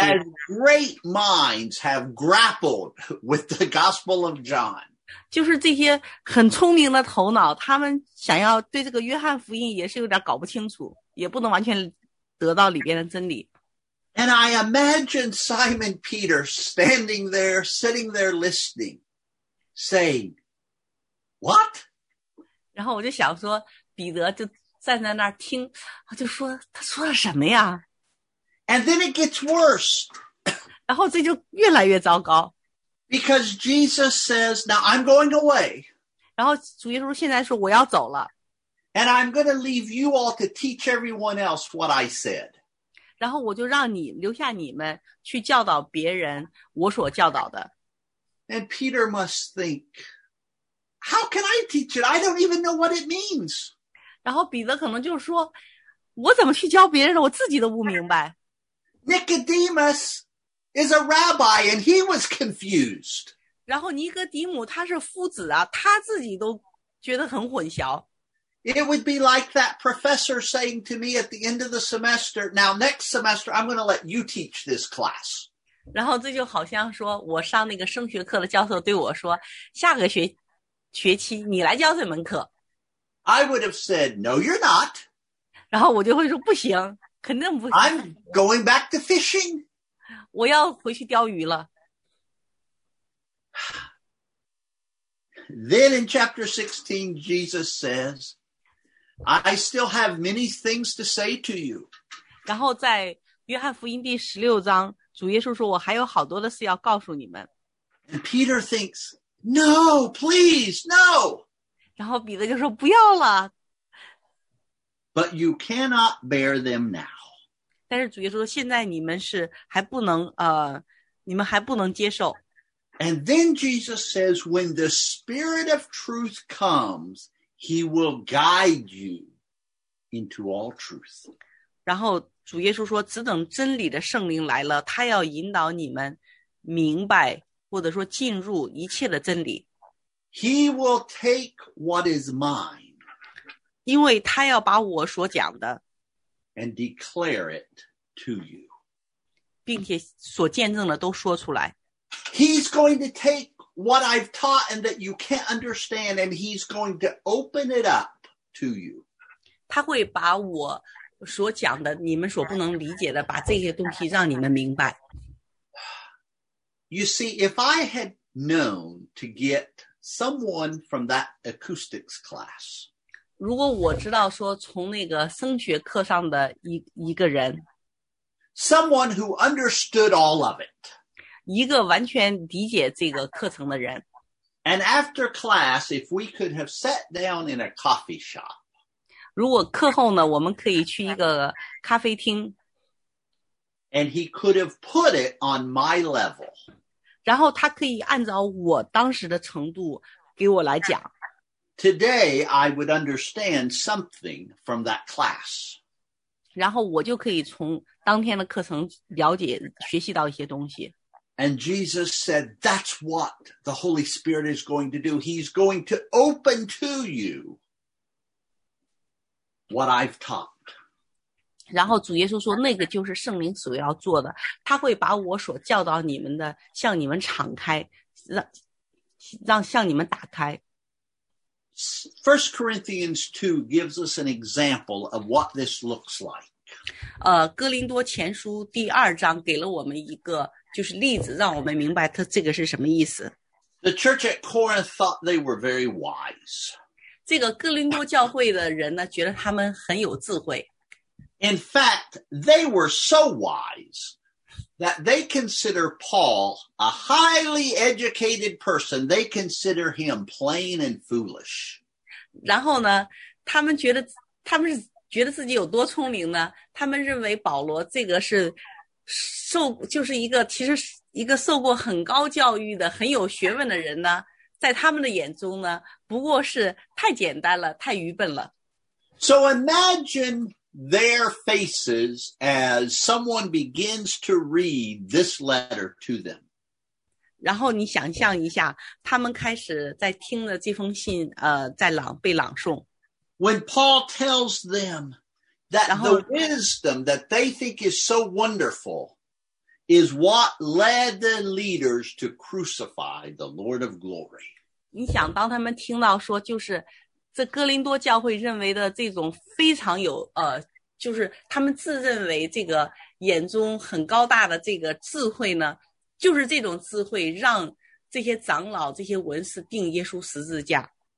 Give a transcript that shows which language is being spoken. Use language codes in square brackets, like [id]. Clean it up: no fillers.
[en] And great minds have grappled with the Gospel of John. [zh] 就是这些很聪明的头脑，他们想要对这个约翰福音也是有点搞不清楚，也不能完全得到里边的真理。 [en] And I imagine Simon Peter standing there, sitting there listening, saying, "What?" [zh] 然后我就想说，彼得就站在那儿听，就说他说了什么呀？ [en] And then it gets worse. [zh] 然后这就越来越糟糕。 [en] Because Jesus says, now I'm going away. [zh] 然后主耶稣现在说我要走了。 [en] And I'm going to leave you all to teach everyone else what I said. [zh] 然后我就让你留下你们去教导别人我所教导的。 [en] And Peter must think, how can I teach it? I don't even know what it means. [zh] 然后彼得可能就说，我怎么去教别人呢？我自己都不明白。 [en] Nicodemus is a rabbi, and he was confused. [zh] 然后尼哥底母他是夫子啊，他自己都觉得很混淆。 [en] It would be like that professor saying to me at the end of the semester, "Now next semester, I'm going to let you teach this class." [zh] 然后这就好像说，我上那个声学课的教授对我说，下个学期你来教这门课。 [en] I would have said, "No, you're not." [zh] 然后我就会说不行。肯定不行。 [en] I'm going back to fishing. [zh] 我要回去钓鱼了。 [en] Then in chapter 16, Jesus says, I still have many things to say to you. [zh] 然后在约翰福音第16章，主耶稣说，我还有好多的事要告诉你们。 [en] And Peter thinks, no, please, no. [zh] 然后彼得就说，不要了。 [en] But you cannot bear them now. [zh] 但是主耶稣说，现在你们是还不能，你们还不能接受。 [en] And then Jesus says, when the Spirit of truth comes, he will guide you into all truth. [zh] 然后主耶稣说，只等真理的圣灵来了，他要引导你们明白，或者说进入一切的真理。 [en] He will take what is mine. [zh] 因为他要把我所讲的 [en] and declare it to you. [zh] 并且所见证的都说出来。 [en] He's going to take what I've taught and that you can't understand, and he's going to open it up to you. [zh] 他会把我所讲的，你们所不能理解的，把这些东西让你们明白。 [en] You see, if I had known to get someone from that acoustics class, [zh] 如果我知道说从那个声学课上的一个人， [en] someone who understood all of it, [zh] 一个完全理解这个课程的人， [en] and after class, if we could have sat down in a coffee shop, [zh] 如果课后呢，我们可以去一个咖啡厅， [en] and he could have put it on my level. [zh] 然后他可以按照我当时的程度给我来讲。 [en] Today, I would understand something from that class. [zh] 然后我就可以从当天的课程了解，学习到一些东西。 [en] And Jesus said, that's what the Holy Spirit is going to do. He's going to open to you what I've taught. [zh] 然后主耶稣说那个就是圣灵所要做的他会把我所教导你们的向你们敞开 让向你们打开 [en] 1 Corinthians 2 gives us an example of what this looks like [zh] 哥林多前书第二章给了我们一个就是例子让我们明白这个是什么意思 [en] The church at Corinth thought they were very wise [zh] 这个哥林多教会的人呢觉得他们很有智慧 [en] In fact, they were so wise that they consider Paul a highly educated person. They consider him plain and foolish. [zh] 然后呢，他们是觉得自己有多聪明呢？他们认为保罗这个是受，就是一个其实一个受过很高教育的、很有学问的人呢，在他们的眼中呢，不过是太简单了、太愚笨了。 [en] So imagine. Their faces as someone begins to read this letter to them. [zh] 然后你想象一下，他们开始在听了这封信，在朗被朗诵。 [en] When Paul tells them that the wisdom that they think is so wonderful is what led the leaders to crucify the Lord of Glory. [zh] 你想当他们听到说就是。这哥林多教会认为的这种非常有就是他们自认为这个眼中很高大的这个智慧呢就是这种智慧让这些长老这些文士钉耶稣十字架。